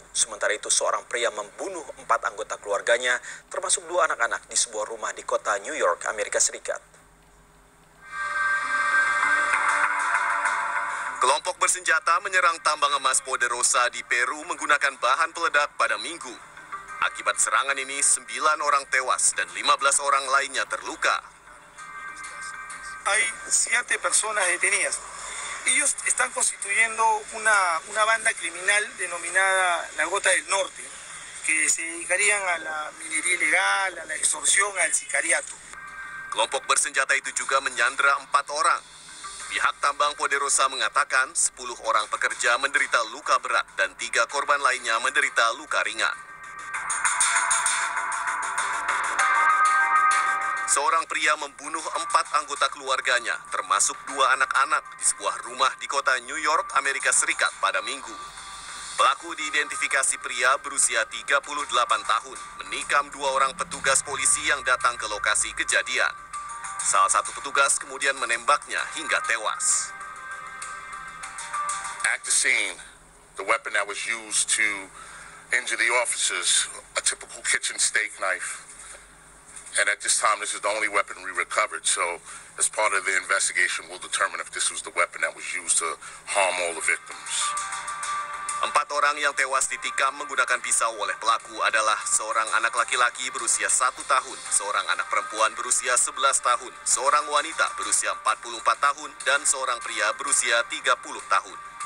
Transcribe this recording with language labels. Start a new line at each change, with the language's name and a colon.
Indonesian: Sementara itu seorang pria membunuh 4 anggota keluarganya termasuk 2 anak-anak di sebuah rumah di kota New York, Amerika Serikat. Kelompok bersenjata menyerang tambang emas Poderosa di Peru menggunakan bahan peledak pada Minggu. Akibat serangan ini, 9 orang tewas dan 15 orang lainnya terluka.
Spanish: Hay 7 personas detenidas. Ellos están constituyendo una banda criminal denominada La Gota del Norte, que se dedicarían a la minería ilegal, a la extorsión, al sicariato.
Indonesian: Kelompok bersenjata itu juga menyandra 4 orang. Pihak tambang Poderosa mengatakan 10 orang pekerja menderita luka berat dan 3 korban lainnya menderita luka ringan. Seorang pria membunuh 4 anggota keluarganya, termasuk 2 anak-anak, di sebuah rumah di kota New York, Amerika Serikat pada Minggu. Pelaku diidentifikasi pria berusia 38 tahun, menikam 2 orang petugas polisi yang datang ke lokasi kejadian. Salah satu petugas kemudian menembaknya hingga tewas.
English: At the scene, the weapon that was used to injure the officers, a typical kitchen steak knife. And at this time, this is the only weapon we recovered. So, as part of the investigation, we'll determine if this was the weapon that was used to harm all the victims.
Indonesian: 4 orang yang tewas ditikam menggunakan pisau oleh pelaku adalah seorang anak laki-laki berusia 1 tahun, seorang anak perempuan berusia 11 tahun, seorang wanita berusia 44 tahun, dan seorang pria berusia 30 tahun.